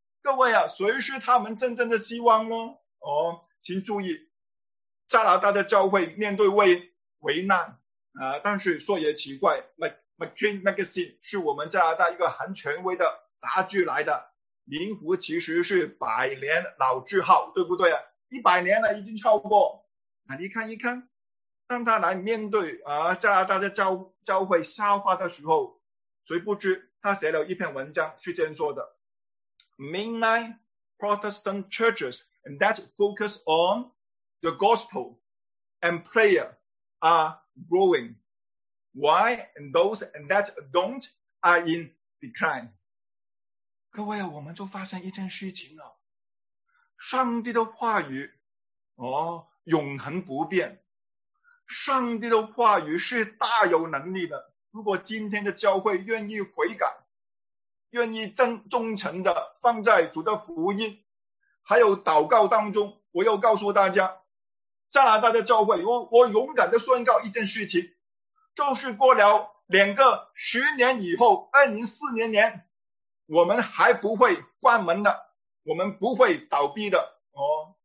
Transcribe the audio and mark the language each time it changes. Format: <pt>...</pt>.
<zh>各位啊，谁是他们真正的希望呢？哦，请注意，加拿大的教会面对危难啊，但是说也奇怪 ，McLean Magazine 是我们加拿大一个很权威的杂志来的，灵湖其实是百年老字号，对不对啊？ 100年了，已经超过。那你看一看，当他来面对加拿大的教会笑话的时候，谁不知他写了一篇文章是这样说的。</zh> <en>Mainline Protestant churches that focus on the gospel and prayer are growing, why those that don't are in decline.</en> <zh>各位，我们就发现一件事情了，上帝的话语永恒不变，上帝的话语是大有能力的。如果今天的教会愿意悔改，愿意忠诚的放在主的福音还有祷告当中，我要告诉大家，加拿大的教会， 我勇敢的宣告一件事情，就是过了2个10年以后，2040年我们还不会关门的，我们不会倒闭的哦。</zh>